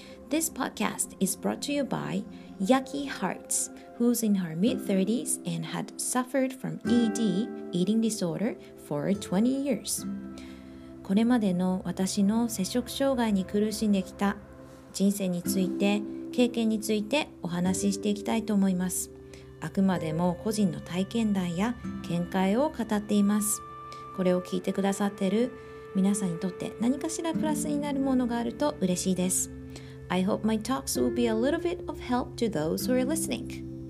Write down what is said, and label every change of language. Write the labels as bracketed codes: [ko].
[en] This podcast is brought to you by Yakie Heart, who's in her mid-30s and had suffered from ED, eating disorder, for 20 years. [ja] これまでの私の摂食障害に苦しんできた人生について、経験についてお話ししていきたいと思います。あくまでも個人の体験談や見解を語っています。これを聞いてくださっている皆さんにとって何かしらプラスになるものがあると嬉しいです。 [en] I hope my talks will be a little bit of help to those who are listening.